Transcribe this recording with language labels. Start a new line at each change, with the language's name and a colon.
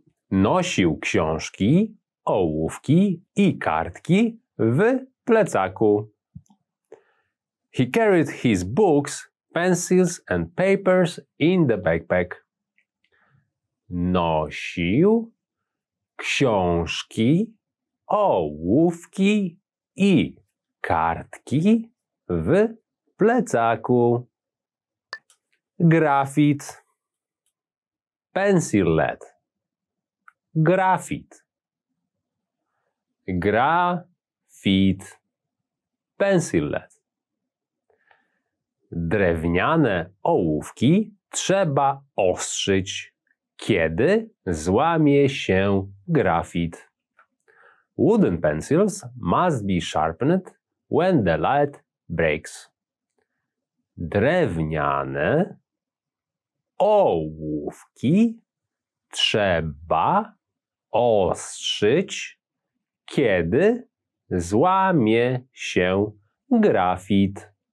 Polish: Nosił książki, ołówki i kartki w plecaku.
English: He carried his books, pencils and papers in the backpack.
Polish: Nosił książki, ołówki i kartki w plecaku. Grafit.
English: Pencil lead.
Polish: Grafit. Grafit.
English: Pencil lead.
Polish: Drewniane ołówki trzeba ostrzyć, kiedy złamie się grafit.
English: Wooden pencils must be sharpened when the lead breaks.
Polish: Drewniane ołówki trzeba ostrzyć, kiedy złamie się grafit.